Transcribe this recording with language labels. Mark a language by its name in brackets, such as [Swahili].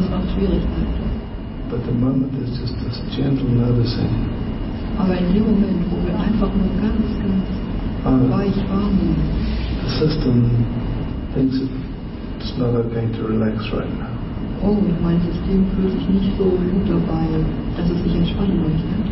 [English] But the moment is just this gentle noticing. [German] Aber in dem Moment, wo wir einfach nur ganz, ganz weich wahrnehmen, [English] the system thinks it's not okay to relax right now. [German] Oh, mein System fühlt sich nicht so gut dabei, dass es sich entspannen möchte.